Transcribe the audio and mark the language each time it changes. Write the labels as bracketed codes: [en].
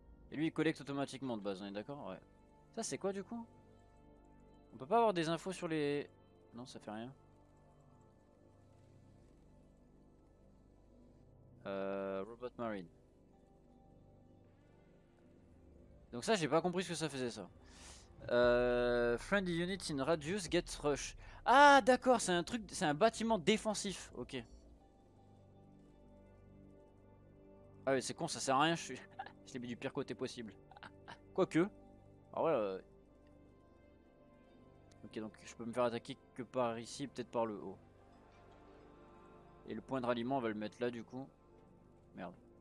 [fr] Et lui il collecte automatiquement de base, on est d'accord? Ouais. Ça c'est quoi du coup? On peut pas avoir des infos sur les... Non, ça fait rien. [en] Robot Marine. [fr] Donc ça j'ai pas compris ce que ça faisait ça. [en] Friendly unit in radius gets rush. [fr] Ah d'accord, c'est un truc, c'est un bâtiment défensif. Ok. Ah oui, c'est con, ça sert à rien, je suis... je l'ai mis du pire côté possible. Quoique. Ah ouais. Ok, donc je peux me faire attaquer que par ici, peut-être par le haut. Et le point de ralliement, on va le mettre là du coup. Merde.